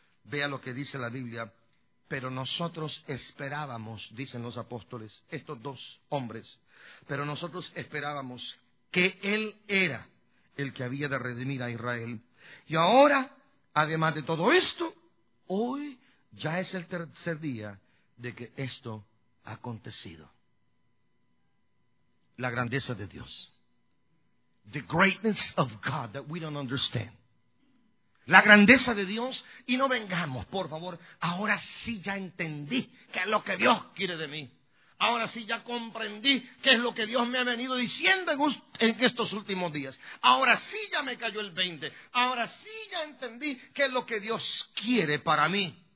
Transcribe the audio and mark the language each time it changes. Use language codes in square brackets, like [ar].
[es] Vea lo que dice la Biblia. Pero nosotros esperábamos, dicen los apóstoles, estos dos hombres, pero nosotros esperábamos que Él era el que había de redimir a Israel. Y ahora, además de todo esto, hoy ya es el tercer día de que esto ha acontecido. La grandeza de Dios. [en] The greatness of God that we don't understand. [es] La grandeza de Dios, y no vengamos, por favor, ahora sí ya entendí qué es lo que Dios quiere de mí. Ahora sí ya comprendí qué es lo que Dios me ha venido diciendo en estos últimos días. Ahora sí ya me cayó el 20. Ahora sí ya entendí qué es lo que Dios quiere para mí.